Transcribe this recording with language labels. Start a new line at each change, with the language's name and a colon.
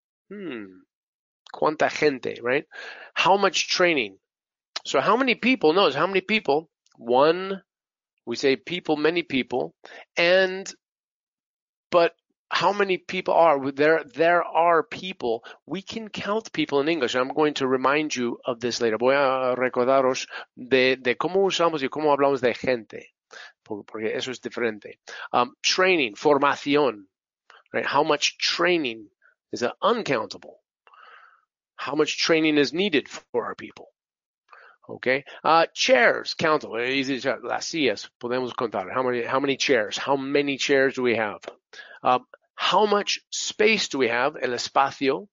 Spanish: Cuánta gente,
English: right? How much training? So how many people? No, it's how many people. One, we say people, many people. But how many people are there? There are people. We can count people in English. I'm going to remind you of this later.
Spanish: Voy a recordaros de cómo usamos y cómo hablamos de gente, porque eso es diferente.
English: Training, formación, right? How much training is uncountable? How much training is needed for our people? Okay. Chairs, count. Easy to count.
Spanish: Las sillas. Podemos contar.
English: How many chairs? How many chairs do we have? How much space do we have?
Spanish: El espacio.